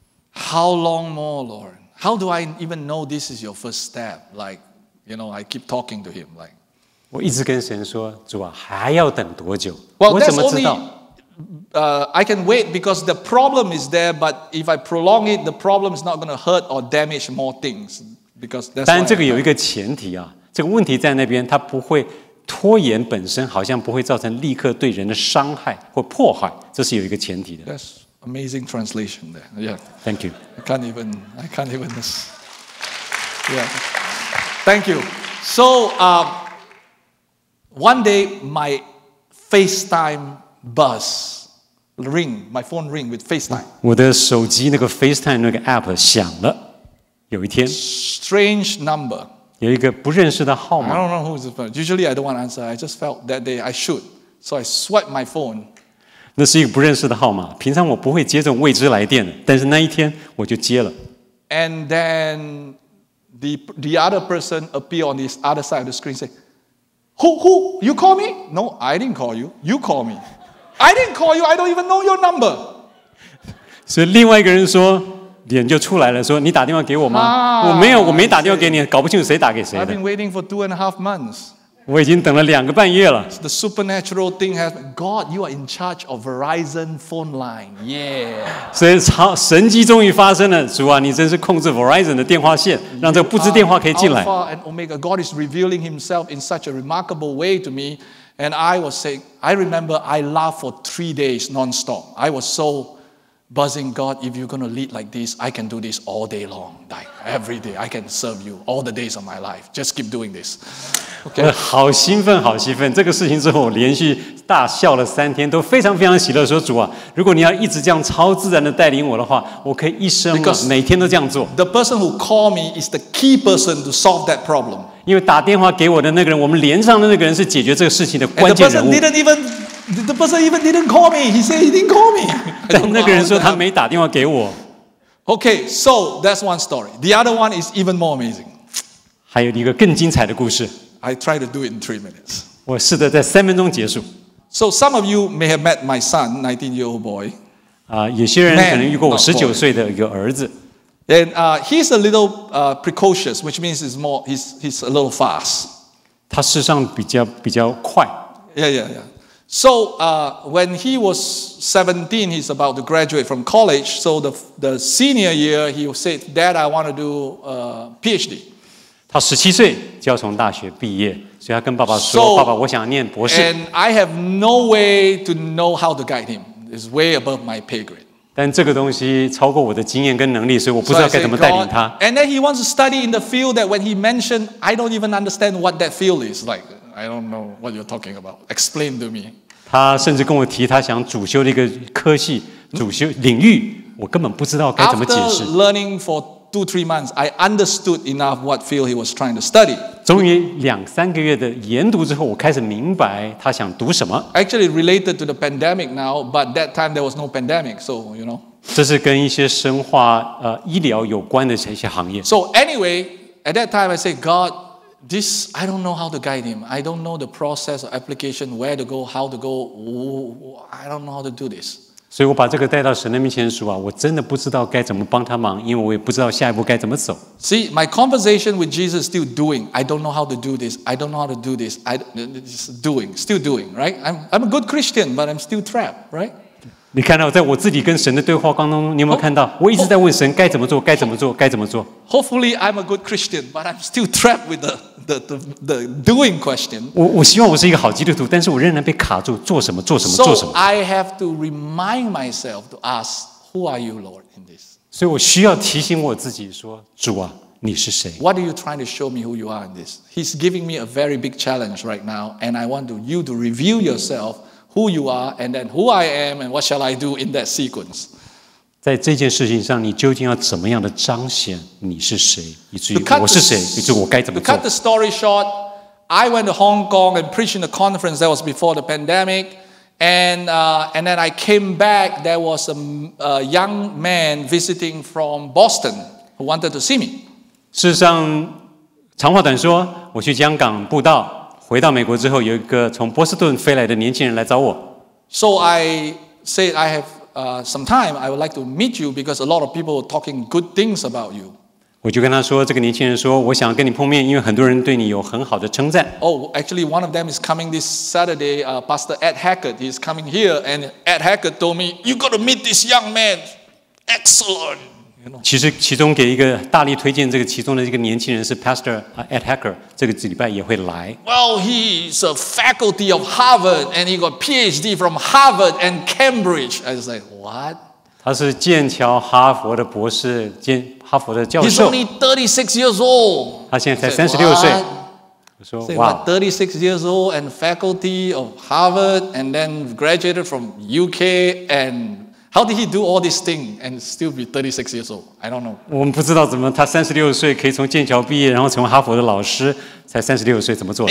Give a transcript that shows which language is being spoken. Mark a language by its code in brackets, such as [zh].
[en] How long more, Lord? How do I even know this is your first step? Like, you know, I keep talking to him. Like, [zh] 我一直跟神说，主啊，还要等多久？ [en] Well, [zh] 我怎么知道？ [en] I can wait because the problem is there, but if I prolong it, the problem is not going to hurt or damage more things. Because that's. [zh] 但这个有一个前提啊。这个问题在那边，它不会拖延本身，好像不会造成立刻对人的伤害或迫害，这是有一个前提的。 [en] That's amazing translation there. Yeah. Thank you. I can't even. Yeah. Thank you. So, one day my FaceTime buzz ring, my phone ring with FaceTime. [zh] 我的手机那个 FaceTime 那个 app 响了。有一天。 [en] Strange number. [zh] 有一个不认识的号码。 [en] I don't know who is the phone. Usually I don't want to answer. I just felt that day I should. So I swipe my phone. [zh] 那是一个不认识的号码。平常我不会接这种未知来电，但是那一天我就接了。 [en] And then the other person appear on this other side of the screen say, Who? You call me? No, I didn't call you. You call me. I didn't call you. I don't even know your number. [zh] 所以另外一个人说，脸就出来了，说你打电话给我吗？我没有，我没打电话给你，搞不清楚谁打给谁的。 [en] I've been waiting for 2.5 months. [zh] 我已经等了两个半月了。 [en] The supernatural thing has God. You are in charge of Verizon phone line. Yeah. [zh] 所以神迹终于发生了，主啊，你真是控制 Verizon 的电话线，让这个不知电话可以进来。 [en] Alpha and Omega. God is revealing Himself in such a remarkable way to me, and I was saying, I remember I laughed for 3 days nonstop. I was so buzzing, God, if you're going to lead like this, I can do this all day long, like every day. I can serve you all the days of my life. Just keep doing this. Okay. [zh] 好兴奋，好兴奋！这个事情之后，我连续大笑了三天，都非常非常喜乐。说主啊，如果你要一直这样超自然的带领我的话，我可以一生每天都这样做。 [en] The person who called me is the key person to solve that problem. [zh] 因为打电话给我的那个人，我们连上的那个人是解决这个事情的关键人物。 [en] And the person didn't even call me. He said he didn't call me. [zh] 但那个人说他没打电话给我。 [en] Okay, so that's one story. The other one is even more amazing. [zh] 还有一个更精彩的故事。 [en] I try to do it in 3 minutes. [zh] 我试着在三分钟结束。 [en] So some of you may have met my son, 19-year-old boy. [zh] 有些人可能遇过我19岁的一个儿子。 [en] And he's a little precocious, which means he's a little fast. [zh] 他事实上比较快。 [en] Yeah. So when he was 17, he's about to graduate from college. So the senior year, he said, "Dad, I want to do PhD." [zh] 他17岁就要从大学毕业，所以他跟爸爸说：“ 爸爸，我想念博士。” [en] And I have no way to know how to guide him. It's way above my pay grade. [zh] 但这个东西超过我的经验跟能力，所以我不知道该怎么带领他。 [en] So、and then he wants to study in the field that when he mentioned, I don't even understand what that field is like. I don't know what you're talking about. Explain to me. [zh] 他甚至跟我提他想主修的一个科系、主修领域，我根本不知道该怎么解释。 [en] After learning for 2-3 months, I understood enough what field he was trying to study. [zh] 终于两三个月的研读之后，我开始明白他想读什么。 [en] Actually related to the pandemic now, but that time there was no pandemic, so you know. [zh] 这是跟一些生化、医疗有关的一些行业。 [en] So anyway, at that time I said, God. This, I don't know how to guide him. I don't know the process or application, where to go, how to go. I don't know how to do this. [zh] 所以我把这个带到神的面前说啊，我真的不知道该怎么帮他忙，因为我也不知道下一步该怎么走。 [en] See, my conversation with Jesus still doing. I don't know how to do this. I don't know how to do this. Still doing, right? I'm a good Christian, but I'm still trapped, right? [zh] 你看到在我自己跟神的对话当中，你有没有看到我一直在问神该怎么做，该怎么做，该怎么做 [en] ？Hopefully, I'm a good Christian, but I'm still trapped with the doing question. [zh] 我希望我是一个好基督徒，但是我仍然被卡住，做什么，做什么，做什么 [en] ？So I have to remind myself to ask, "Who are you, Lord, in this?" [zh] 所以我需要提醒我自己说，主啊，你是谁 [en] ？What are you trying to show me who you are in this? He's giving me a very big challenge right now, and I want you to reveal yourself. Who you are, and then who I am, and what shall I do in that sequence? [zh] 在这件事情上，你究竟要怎么样的彰显你是谁，以至于我是谁，以至于我该怎么做 [en] ？To cut the story short, I went to Hong Kong and preached in a conference that was before the pandemic, and then I came back. There was a young man visiting from Boston who wanted to see me. [zh] 事实上，长话短说，我去香港布道。回到美国之后，有一个从波士顿飞来的年轻人来找我。 [en] So I said I have some time. I would like to meet you because a lot of people are talking good things about you. [zh] 我就跟他说，这个年轻人说，我想跟你碰面，因为很多人对你有很好的称赞。 [en] Oh, actually, one of them is coming this Saturday. Pastor Ed Hackett is coming here, and Ed Hackett told me you got to meet this young man. Excellent. [zh] 其实，其中给一个大力推荐，这个其中的一个年轻人是 Pastor Ed Hacker， 这个礼拜也会来。 [en] Well, he is a faculty of Harvard, and he got PhD from Harvard and Cambridge. I was like, what? [zh] 他是剑桥、哈佛的博士兼哈佛的教授。 [en] He's only 36 years old. [zh] 他现在才36岁。 [en] Say what? 36 years old and faculty of Harvard, and then graduated from UK and. How did he do all these things and still be 36 years old? I don't know. [zh] 我们不知道怎么他36岁可以从剑桥毕业，然后成为哈佛的老师，才36岁怎么做